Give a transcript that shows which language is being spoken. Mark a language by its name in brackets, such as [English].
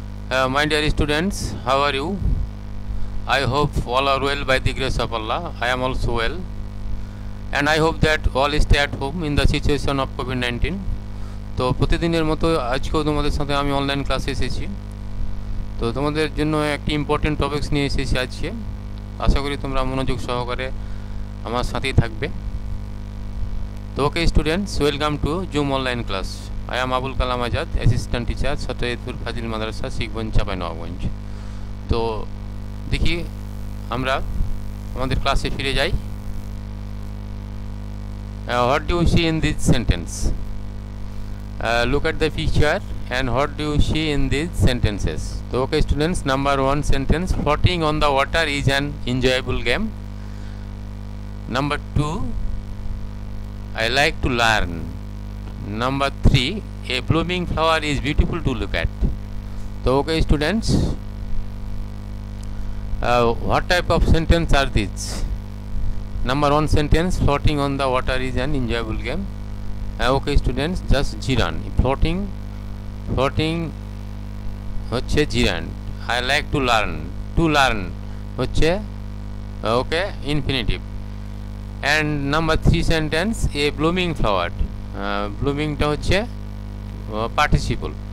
[English] My dear students, how are you? I hope all are well by the grace of Allah. I am also well. And I hope that all stay at home in the situation of COVID-19. [Bangla] তো প্রতিদিনের মতো আজকেও তোমাদের সাথে আমি online ক্লাসে এসেছি। তো তোমাদের জন্য একটি ইম্পর্টেন্ট টপিকস নিয়ে এসেছি আজকে। আশা করি তোমরা মনোযোগ সহকারে আমার সাথেই থাকবে। [English] তো okay students, welcome to Zoom online class. I am Abul Kalam Azad, assistant teacher, Satayetul Fazil Madrasa, Shikhganj, Chapainawabganj. [Bangla] তো দেখি আমরা আমাদের ক্লাসে ফিরে যাই। [English] What do you see in this sentence? Look at the picture and what do you see in these sentences? So, okay students, number one sentence, floating on the water is an enjoyable game. Number two, I like to learn. Number three, a blooming flower is beautiful to look at. So, okay students, what type of sentence are these? Number one sentence, floating on the water is an enjoyable game. Okay students, just gerund, floating, floating [Bangla] হচ্ছে [English] Gerund. I like to learn, to learn [Bangla] হচ্ছে [English] Okay infinitive. And number three sentence, a blooming flower, ব্লুমিংটা [Bangla] হচ্ছে [English] Participle.